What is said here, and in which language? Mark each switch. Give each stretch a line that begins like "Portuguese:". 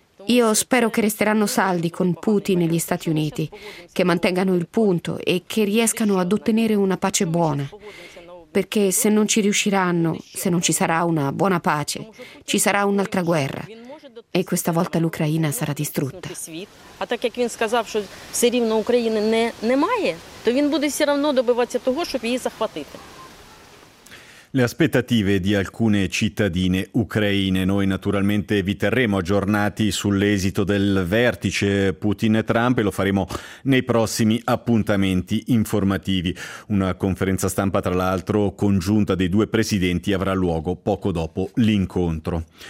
Italian: Io spero che resteranno saldi con Putin e gli Stati Uniti, che mantengano il punto e che riescano ad ottenere una pace buona. Perché se non ci riusciranno, se non ci sarà una buona pace, ci sarà un'altra guerra. E questa volta l'Ucraina sarà distrutta.
Ukrainian: А так як він сказав, що все рівно України немає, то він буде все равно добиватися того, щоб її захватити.
Italian: Le aspettative di alcune cittadine ucraine. Noi naturalmente vi terremo aggiornati sull'esito del vertice Putin-Trump e lo faremo nei prossimi appuntamenti informativi. Una conferenza stampa, tra l'altro, congiunta dei due presidenti avrà luogo poco dopo l'incontro.